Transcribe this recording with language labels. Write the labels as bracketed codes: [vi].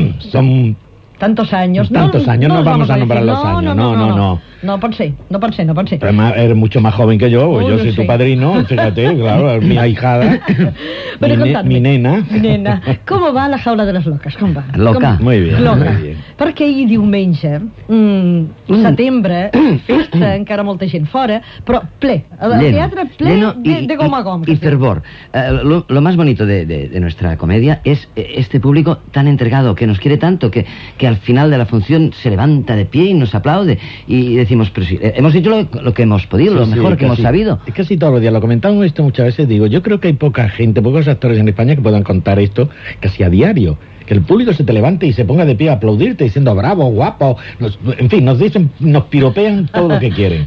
[es] Son tantos años. Tantos años, no vamos a nombrar los años. No. [ca] No pot ser, no pot ser, no pot ser. [es] Però eres mucho más joven que yo, yo soy tu padrino, fíjate, claro, es mi ahijada, mi nena. Nena, ¿cómo va la jaula de las locas? ¿Cómo va? Loca. Muy bien. Loca. [ca] Perquè ahir diumenge, setembre, festa, encara molta gent fora, però ple, el teatre ple de gom a gom. I fervor. [es] Lo más bonito de nuestra comedia es este público tan entregado, que nos quiere tanto, que al final de la función se levanta de pie y nos aplaude, y decimos, pero sí, hemos hecho lo que hemos podido, lo mejor que hemos sabido. Es casi todos los días, lo comentamos esto muchas veces, digo, yo creo que hay poca gente, pocos actores en España que puedan contar esto casi a diario, que el público se te levante y se ponga de pie a aplaudirte diciendo bravo, guapo, nos piropean todo lo que quieren.